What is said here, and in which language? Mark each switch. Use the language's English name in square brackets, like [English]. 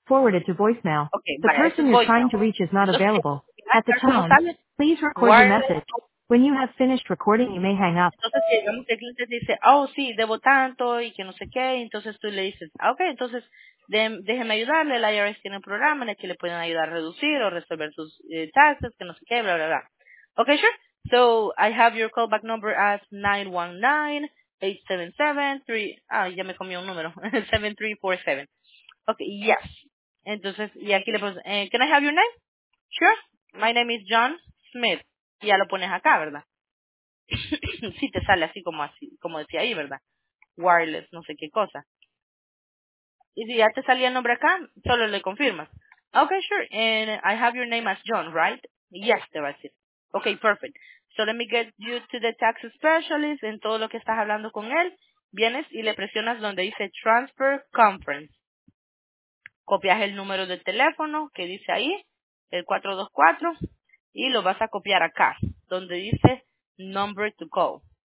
[English] forwarded to voicemail. Okay, the person you're trying to reach is not available. At the tone, please record your message. When you have finished recording, you may hang up. [Spanish] Entonces, digamos que el cliente dice, oh, sí, debo tanto y que no sé qué. Entonces, tú le dices, ok, entonces, déjeme ayudarle. El IRS tiene un programa en el que le pueden ayudar a reducir o resolver sus taxes, que no sé qué, bla, bla, bla. [English] Ok, sure. So, I have your callback number as 919-877-3... [Spanish] Ah, ya me comí un número. 7347. Ok, yes. Entonces, y aquí le pones, [English] can I have your name? Sure. My name is John Smith. [Spanish] Y ya lo pones acá, ¿verdad? Sí, te sale así como decía ahí, ¿verdad? Wireless, no sé qué cosa. Y si ya te salía el nombre acá, solo le confirmas. [English] Okay, sure. And I have your name as John, right? Yes, [Spanish] te va a decir. [English] Okay, perfect. So let me get you to the tax specialist. [Spanish] En todo lo que estás hablando con él, vienes y le presionas donde dice Transfer Conference. Copias el número de teléfono que dice ahí, el 424. Y lo vas a copiar acá, donde dice [English] number to call.